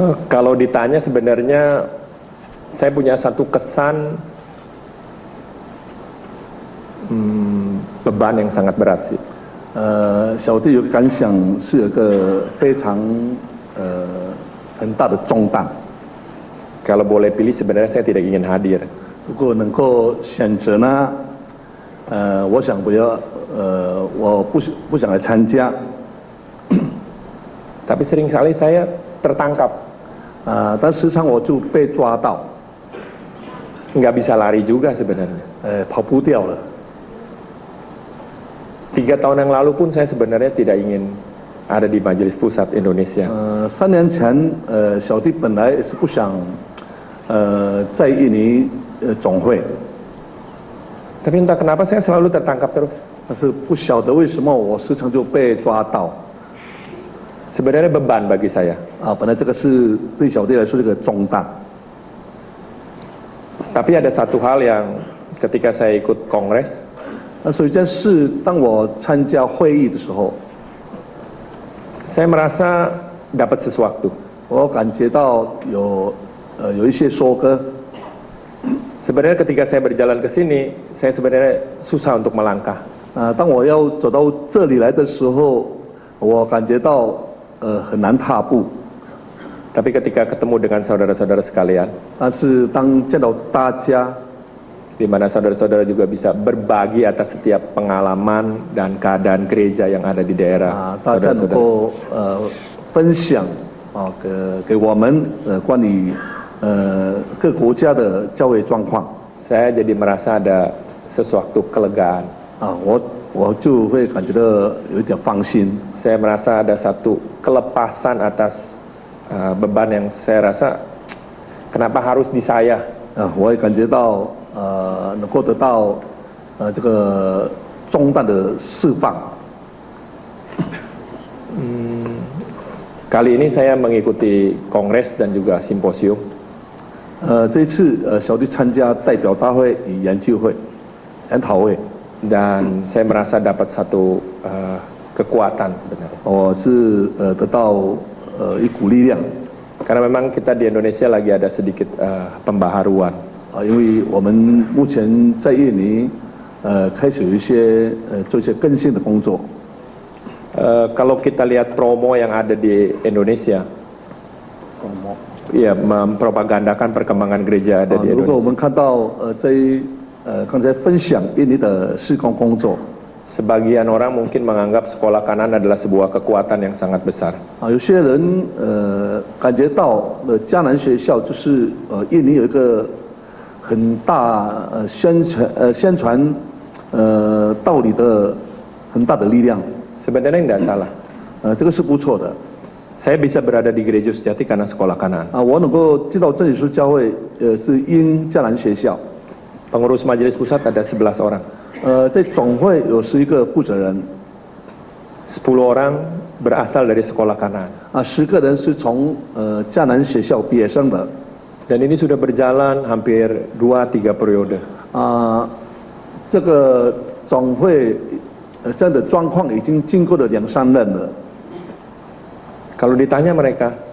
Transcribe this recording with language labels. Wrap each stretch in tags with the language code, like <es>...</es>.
<id>Kalau ditanya sebenarnya saya punya satu kesan beban yang sangat berat sih.</id> <zh>小弟有感想是有个非常很大的重担。</zh> <id>Kalau boleh pilih sebenarnya saya tidak ingin hadir.</id> <zh>如果能够选择呢？我想不要，我不想来参加。</zh> <id>Tapi sering kali saya tertangkap.</id> <zh>但时常我就被抓到。</zh> <id>Enggak bisa lari juga sebenarnya.</id> <zh>跑不掉了。</zh> <id>Tiga tahun yang lalu pun saya sebenarnya tidak ingin ada di Majelis Pusat Indonesia.</id> <zh>三年前，小弟本来是不想，在印尼总会。</zh> <id>Tapi entah kenapa saya selalu tertangkap terus.</id> <zh>但是不晓得为什么我时常就被抓到。</zh> <id>Sebenarnya beban bagi saya.</id> <zh>本来这个是对小弟来说这个重担。</zh> <id>Tapi ada satu hal yang ketika saya ikut kongres.</id> <zh>那首先是当我参加会议的时候。</zh> <id>Saya merasa dapat sesuatu.</id> <zh>我感觉到有一些收割。</zh> <id>Sebenarnya ketika saya berjalan ke sini, saya sebenarnya susah untuk melangkah.</id> <zh>当我要走到这里来的时候，我感觉到很难踏步。</zh> <id>Tapi ketika ketemu dengan saudara-saudara sekalian,</id> <zh>但是当见到大家，</zh> <id>di mana saudara-saudara juga bisa berbagi atas setiap pengalaman dan keadaan gereja yang ada di daerah.</id> <zh>大家能够分享给我们关于。各国家的教会状况</zh> <id>saya jadi merasa ada sesuatu kelegaan</id> <zh>我就会感觉到有点放心</zh> <id>saya merasa ada satu kelepasan atas beban yang saya rasa kenapa harus di saya</id> <zh>我也感觉到能够得到这个重担的释放</zh> <id>kali ini saya mengikuti kongres dan juga simposium</id> <zh>这一次小弟参加代表大会与研究会研讨会</zh> <id>dan saya merasa dapat satu kekuatan sebenarnya</id> <zh>我是得到一股力量</zh> <id>karena memang kita di Indonesia lagi ada sedikit pembaharuan</id> <zh>因为我们目前在印尼开始有一些做一些更新的工作</zh> <id>kalau kita lihat promo yang ada di Indonesia promo ya mempropagandakan perkembangan gereja ada di Indonesia.</id> <zh>如果我们看到刚才分享印尼的事工工作</zh> <id>sebagian orang mungkin menganggap sekolah kanan adalah sebuah kekuatan yang sangat besar.</id> <zh>有些人感觉到迦南学校就是印尼有一个很大宣传道理的很大的力量。</zh> <id>Sebenarnya enggak salah.</id> <zh>这个是不错的。</zh> <id>Saya bisa berada di gereja sejati karena sekolah kanan.</id> <zh>我能够进到真耶稣教会，是因迦南学校。</zh> <id>Pengurus Majelis Pusat ada 11 orang.</id> <zh>在总会有11个负责人。</zh> <id>10 orang berasal dari sekolah kanan.</id> <zh>十个人是从迦南学校毕业生的。</zh> <id>Dan ini sudah berjalan hampir 2-3 periode.</id> <zh>这个总会这样的状况已经经过了两三任了。</zh> <id>Kalau ditanya mereka,</id>